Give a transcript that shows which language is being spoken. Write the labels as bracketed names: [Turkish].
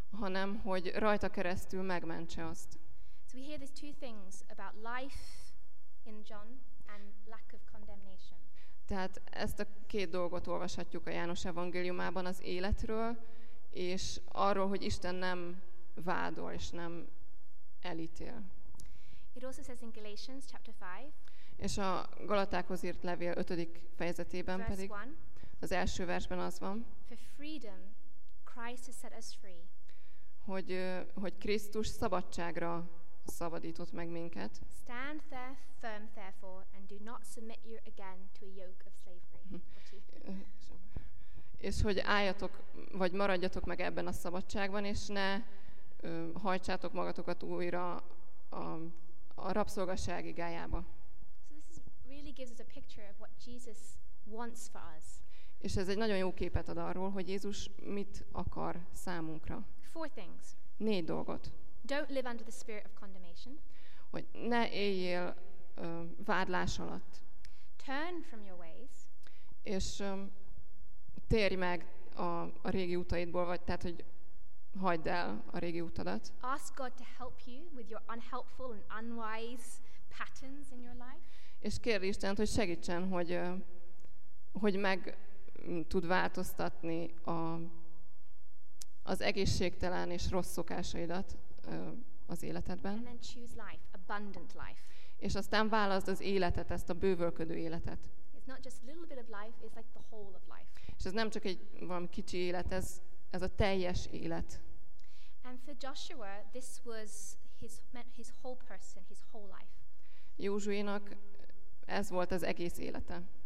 [Hungarian] Hanem hogy rajta keresztül megmentse azt. [English] So we hear these two things about life in John and lack of condemnation. [Hungarian] Tehát ezt a két dolgot olvashatjuk a János evangéliumában, az életről, és arról, hogy Isten nem vádol, és nem elítél. [English] It also says in Galatians chapter 5. [Hungarian] És a Galatákhoz írt levél 5. fejezetében [English] verse [Hungarian] pedig, [English] one, [Hungarian] az első versben az van, [English] for freedom, Christ has set us free. [Hungarian] Hogy Krisztus szabadságra szabadított meg minket. [English] Stand there firm therefore and do not submit you again to a yoke of slavery. [Hungarian] És hogy álljatok, vagy maradjatok meg ebben a szabadságban, és ne hajtsátok magatokat újra a rabszolgaság igájába. [English] So this really gives us a picture of what Jesus wants for us. [Hungarian] És ez egy nagyon jó képet ad arról, hogy Jézus mit akar számunkra. [English] Four things. [Hungarian] Négy dolgot. [English] Don't live under the spirit of condemnation. [Hungarian] Hogy ne éljél vádlás alatt. [English] Turn from your ways. [Hungarian] És térj meg a régi utaidból, vagy tehát, hogy hagyd el a régi utadat. [English] Ask God to help you with your unhelpful and unwise patterns in your life. [Hungarian] És kérd Istent, hogy segítsen, hogy hogy meg tud változtatni az egészségtelen és rossz szokásaidat az életedben. [English] And then choose life, abundant life. [Hungarian] És aztán válaszd az életet, ezt a bővölködő életet. [English] It's not just a little bit of life, it's like the whole of life. [Hungarian] És ez nem csak egy valami kicsi élet, ez a teljes élet. [English] And for Joshua, this was his whole person, his whole life. [Hungarian] Józsuénak ez volt az egész élete.